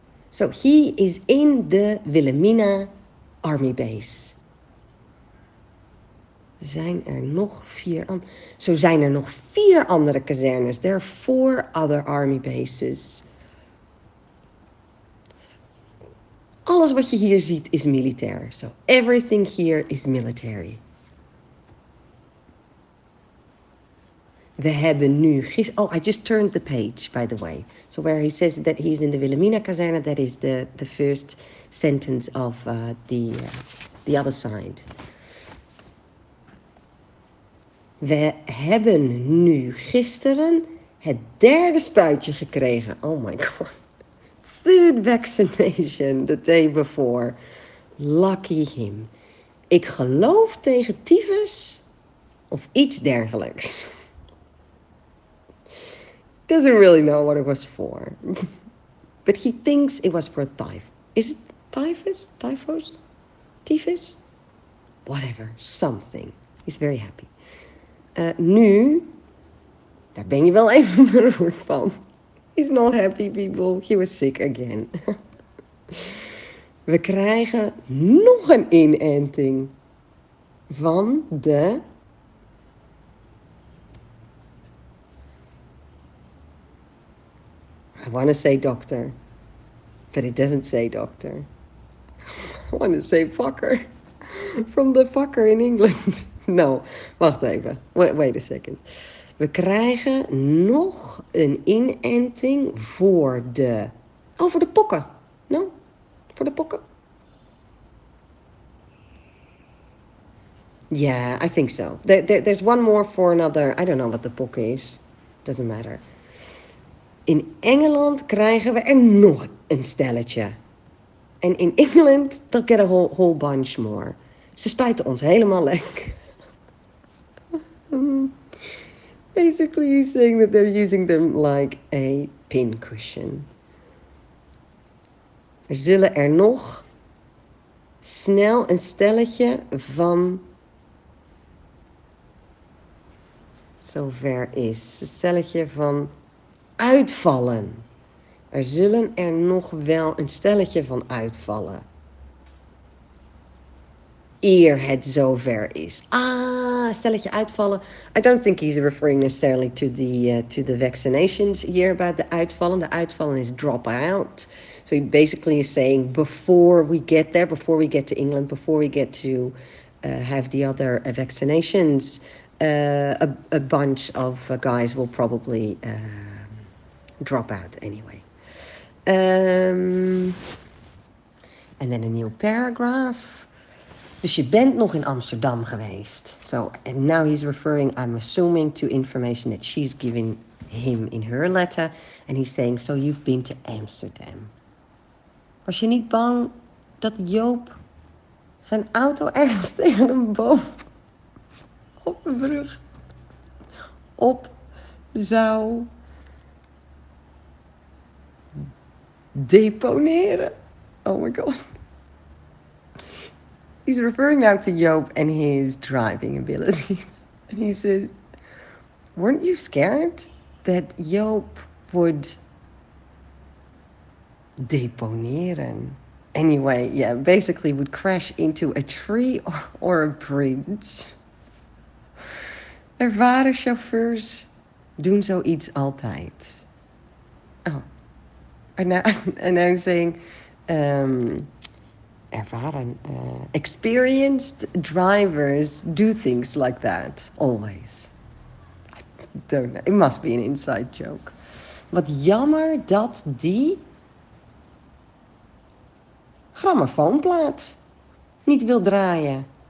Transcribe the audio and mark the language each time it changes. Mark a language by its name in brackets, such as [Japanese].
[English] So he is in the Wilhelmina Army Base. [Dutch] Zijn er nog vier? Zo zijn er nog vier andere kazernes. [English] There are four other army bases. [Dutch] Alles wat je hier ziet is militair. [English] So everything here is military. [Dutch] We hebben nu gisteren. [English] Oh, I just turned the page, by the way. So where he says that he is in the Wilhelmina kazerne, that is the first sentence of the other side. [Dutch] We hebben nu gisteren het derde spuitje gekregen. [English] Oh my god. Third vaccination the day before. Lucky him. [Dutch] Ik geloof tegen tyfus of iets dergelijks. [English] Doesn't really know what it was for. But he thinks it was for Is it typhus? Typhus? Tyfus? Whatever. Something. He's very happy. [Dutch] Nu, daar ben je wel even beroerd van. [English] He's not happy, people. He was sick again. [Dutch] We krijgen nog een inenting van de... [English] I want to say doctor, but it doesn't say doctor. I want to say fucker, from the fucker in England. No, [Dutch] wacht even, [English] wait a second. [Dutch] We krijgen nog een inenting voor de... Oh, voor de pokken. No, voor de pokken. [English] Yeah, I think so. There's one more for another. I don't know what the pokken is. Doesn't matter. [Dutch] In Engeland krijgen we er nog een stelletje. [English] En in England, they'll get a whole bunch more. [Dutch] Ze spuiten ons helemaal lek. [English] Basically, you're saying that they're using them like a pincushion. [Dutch] Er zullen er nog snel een stelletje van... Zover is. Een stelletje van... Uitvallen. Er zullen er nog wel een stelletje van uitvallen. Eer het zover is. Ah, stelletje uitvallen. [English] I don't think he's referring necessarily to the vaccinations here about the uitvallen. The uitvallen is drop out. So he basically is saying before we get there, before we get to England, before we get to have the other vaccinations, a bunch of guys will probably... drop out anyway. And then a new paragraph. [Dutch] Dus je bent nog in Amsterdam geweest. [English] So, and now he's referring, I'm assuming, to information that she's giving him in her letter. And he's saying, so you've been to Amsterdam. [Dutch] Was je niet bang dat Joop zijn auto ergens tegen een boom op een brug op zou... [English] deponeren. Oh my god. He's referring now to Joop and his driving abilities. And he says, weren't you scared that Joop would deponeren? Anyway, yeah, basically would crash into a tree or a bridge. [Dutch] Ervaren chauffeurs doen zoiets altijd. Oh. [English] And now saying ervaren, experienced drivers do things like that always. I don't know. It must be an inside joke. [Dutch] Wat jammer dat die grammofoonplaat niet wil draaien.